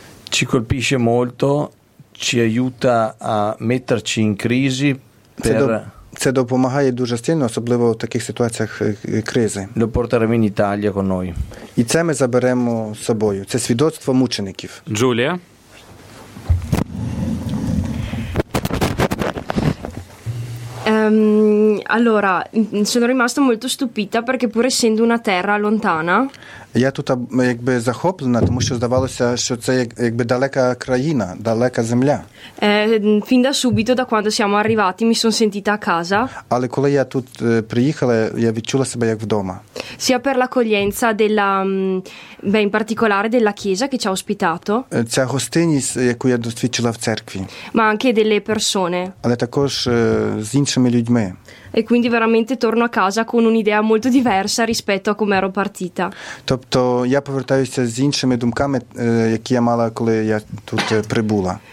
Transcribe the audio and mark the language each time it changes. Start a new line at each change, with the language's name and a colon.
Italian: Ci colpisce molto, ci aiuta a metterci in crisi per...
Ukrainian: Це допомагає дуже сильно, особливо в таких ситуаціях кризи.
Italian: Lo porteremo in Italia con noi.
Ukrainian: І це ми заберемо з собою. Це свідоцтво мучеників. Джулія.
Italian: Allora, sono rimasta molto stupita perché pur essendo una terra lontana.
Ukrainian: Я тут якби захоплена, тому що здавалося, що це якби далека країна, далека земля.
Italian: Fin da subito, da quando siamo arrivati, mi sono sentita a casa.
Ukrainian: Але коли я тут приїхала, я відчула себе як вдома.
Italian: Sia per l'accoglienza della in particolare della chiesa che ci ha ospitato.
Ukrainian: Ця гостинність, яку я досвідчила в церкві.
Italian: Ma anche delle persone.
Ukrainian: Але також з іншими людьми.
Italian: E quindi veramente torno a casa con un'idea molto diversa rispetto a come ero partita.
Ukrainian: Тобто я повертаюся з іншими думками, які я мала, коли я тут прибула.